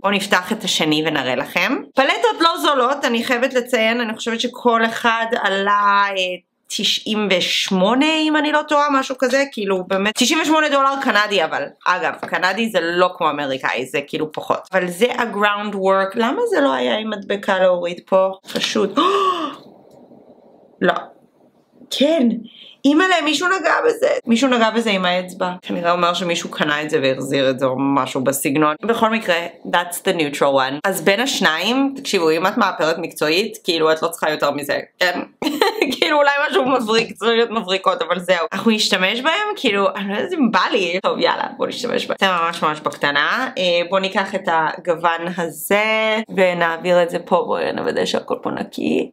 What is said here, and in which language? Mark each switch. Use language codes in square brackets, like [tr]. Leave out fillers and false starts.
[he] בואו נפתח את השני ונראה לכם. פלטות לא זולות, אני חייבת לציין, אני חושבת שכל אחד עלה 98, אם אני לא טועה, משהו כזה, כאילו באמת, $98 קנדי, אבל אגב, קנדי זה לא כמו אמריקאי, זה כאילו פחות. אבל זה הגראונד וורק, למה זה לא היה עם מדבקה להוריד פה? פשוט. לא. כן, אימאלה, מישהו נגע בזה. מישהו נגע בזה עם האצבע. כנראה אומר שמישהו קנה את זה והחזיר את זה או משהו בסגנון. בכל מקרה, [en] that's the neutral one. [he] אז בין השניים, תקשיבו, אם את מאפרת מקצועית, כאילו את לא צריכה יותר מזה, כן? כאילו אולי משהו מבריק, צריך להיות מבריקות, אבל זהו. אנחנו נשתמש בהם? כאילו, אני לא יודעת אם בא לי. טוב, יאללה, בוא נשתמש בהם. זה ממש ממש בקטנה. בוא ניקח את הגוון הזה, ונעביר את זה פה, בואי נוודא שהכל פה נקי.